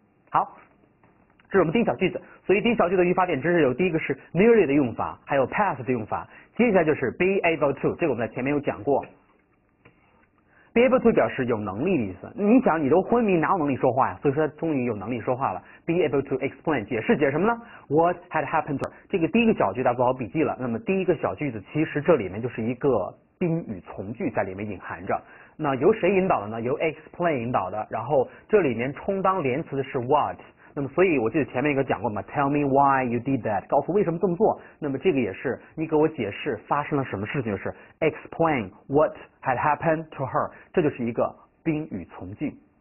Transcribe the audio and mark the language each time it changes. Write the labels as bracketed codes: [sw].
[zh] 好，这是我们第一小句子。所以第一小句的语法点知识有第一个是 nearly 的用法，还有 past 的用法。接下来就是 be able to， 这个我们在前面有讲过。be able to 表示有能力的意思。你想，你都昏迷，哪有能力说话呀？所以说，终于有能力说话了。 [en] be able to explain， [zh] 解释解释什么呢 ？ [en] What had happened to her? [zh] 这个第一个小句大家做好笔记了。那么第一个小句子其实这里面就是一个宾语从句在里面隐含着。那由谁引导的呢？由 explain 引导的，然后这里面充当连词的是 what， 那么所以我记得前面一个讲过嘛， [en] tell me why you did that， [zh] 告诉为什么这么做，那么这个也是你给我解释发生了什么事情，就是 [en] explain what had happened to her， [zh] 这就是一个宾语从句。